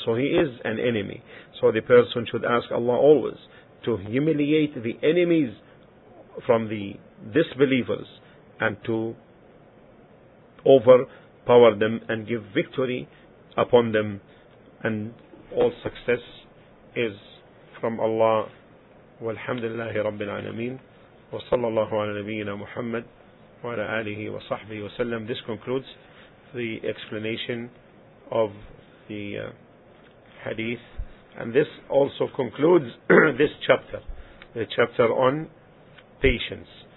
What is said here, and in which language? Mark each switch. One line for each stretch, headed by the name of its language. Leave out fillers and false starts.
English: So he is an enemy. So the person should ask Allah always to humiliate the enemies from the disbelievers and to overpower them and give victory upon them. And all success is from Allah.
Arabic: والحمد لله رب العالمين وصلى الله على نبينا محمد وعلى آله وصحبه وسلم.
English: This concludes the explanation of the hadith, and this also concludes this chapter, the chapter on patience.